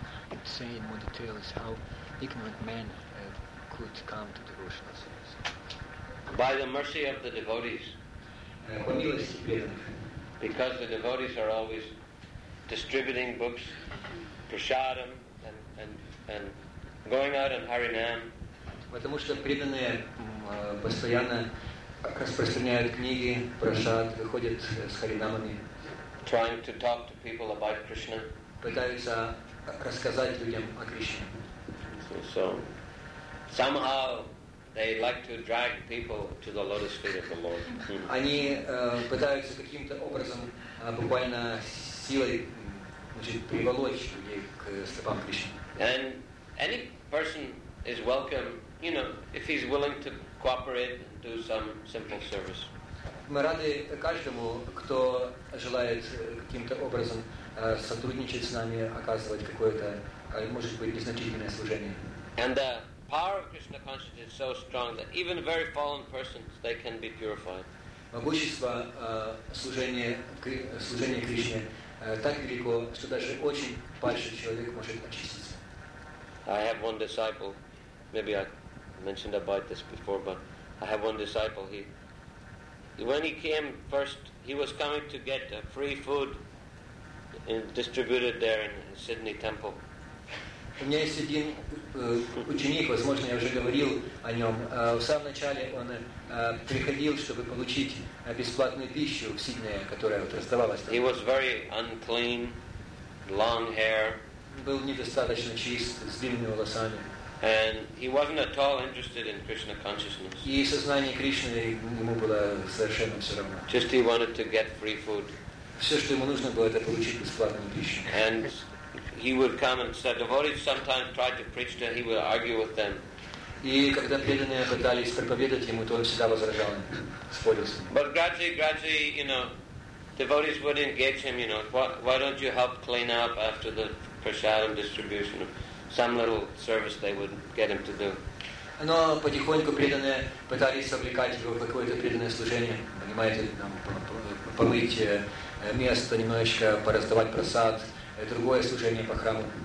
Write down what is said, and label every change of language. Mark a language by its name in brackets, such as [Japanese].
[English] It's saying more details how ignorant man could come to devotional service. By the mercy of the devotees. [Russian] По милости преданных. [English] Because the devotees are always distributing books, prasadam, and going out in Harinam. [Russian] Потому что преданные постоянно распространяют книги, прасад, выходят с харинамами. [English] Trying to talk to people about Krishna. [Russian] Пытаются рассказать людям о Кришне. [English] So somehow they like to drag people to the lotus feet of the Lord. [Russian] Они пытаются каким-то образом буквально силой приволочь людей к стопам Кришны. [English] And any person is welcome, you know, if he's willing to cooperate and do some simple service. [Russian] Мы рады каждому, кто желает каким-то образом сотрудничать с нами, оказывать какое-то, может быть, незначительное служение. [English] And the power of Krishna consciousness is so strong that even very fallen persons, they can be purified. [Russian] Могущество служения Кришне так велико, что даже очень падший человек может очиститься. [English] I have one disciple, maybe I mentioned about this before, but I have one disciple, when he came first, he was coming to get free food distributed there in Sydney Temple. [Russian] У меня есть один ученик, возможно, я уже говорил о нем. В самом начале он приходил, чтобы получить бесплатную пищу в Сиднее, которая вот раздавалась там. [English] He was very unclean, long hair. [Russian] Был недостаточно чист, с длинными волосами. [English] And he wasn't at all interested in Krishna consciousness. [Russian] И сознание Кришны ему было совершенно все равно. [English] Just he wanted to get free food. [Russian] Все, что ему нужно было, это получить бесплатную пищу. [English] And he would come and say, devotees sometimes tried to preach to him, he would argue with them. [Russian] И когда преданные пытались проповедовать ему, то он всегда возражал, спорил с ним. [English] But gradually, you know, devotees would engage him, you know, why don't you help clean up after the prasadam distribution, some little service they would get him to do. [Russian] Но потихоньку преданные пытались вовлекать его в какое-то преданное служение, понимаете, там, помыть место немножечко, пораздавать прасад, другое служение по храму.